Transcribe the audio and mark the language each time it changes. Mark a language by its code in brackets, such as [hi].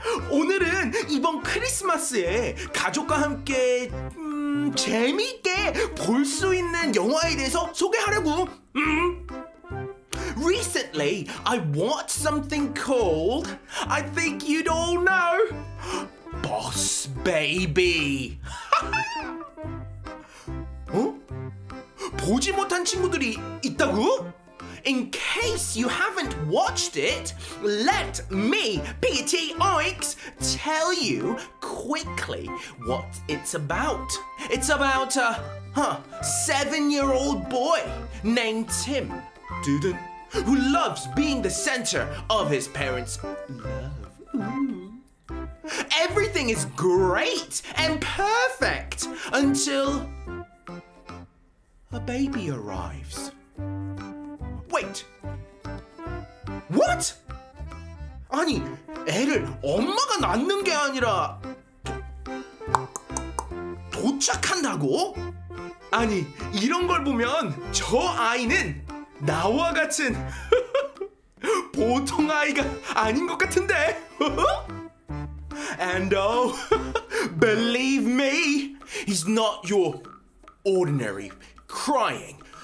[ko] 오늘은 이번 크리스마스에 가족과 함께 재미있게 볼 수 있는 영화에 대해서 소개하려고. [en] Recently, I watched something called, I think you'd all know, Boss Baby. [ko] 어? 보지 못한 친구들이 있다고? [en] In case you haven't watched it, let me, P.T. Oinks, tell you quickly what it's about. It's about a seven-year-old boy named Tim, who loves being the center of his parents' love. Everything is great and perfect until a baby arrives. Wait! What? [ko] 아니, 애를 엄마가 낳는 게 아니라 도착한다고? 아니, 이런 걸 보면 저 아이는 나와 같은 보통 아이가 아닌 것 같은데? [en] And oh, believe me, he's not your ordinary crying.